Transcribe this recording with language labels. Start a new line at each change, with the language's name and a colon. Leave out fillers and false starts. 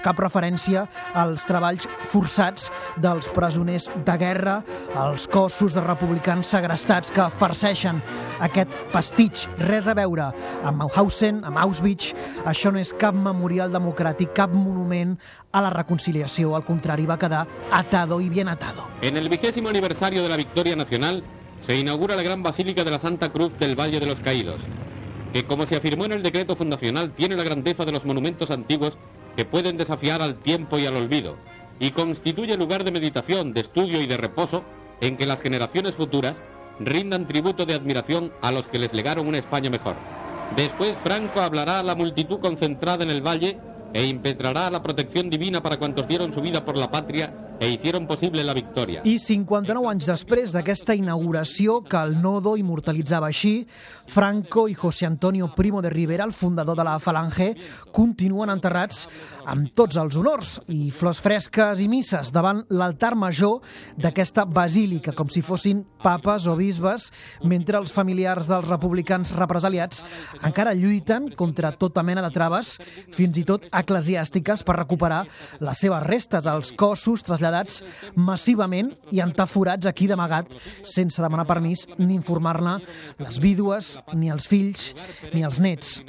Catalan: Cap referència als treballs forçats dels presoners de guerra, als cossos de republicans segrestats que farceixen aquest pastitx. Res a veure amb Mauthausen, amb Auschwitz. Això no és cap memorial democràtic, cap monument a la reconciliació. Al contrari, va quedar
Spanish: atado y bien atado. En el 20º aniversario de la victoria nacional se inaugura la gran basílica de la Santa Cruz del Valle de los Caídos, que como se afirmó en el decreto fundacional, tiene la grandeza de los monumentos antiguos que pueden desafiar al tiempo y al olvido, y constituye lugar de meditación, de estudio y de reposo en que las generaciones futuras rindan tributo de admiración a los que les legaron una España mejor. Después Franco hablará a la multitud concentrada en el valle e impetrará la protección divina para cuantos dieron su vida por la patria e hicieron posible la victoria.
Catalan: I 59 anys després d'aquesta inauguració que el Nodo immortalitzava així, Franco i José Antonio Primo de Rivera, el fundador de la Falange, continuen enterrats amb tots els honors i flors fresques i misses davant l'altar major d'aquesta basílica, com si fossin papes o bisbes, mentre els familiars dels republicans represaliats encara lluiten contra tota mena de traves, fins i tot eclesiàstiques, per recuperar les seves restes, els cossos traslladats massivament i entaforats aquí d'amagat, sense demanar permís ni informar-ne les vídues, ni els fills, ni els nets.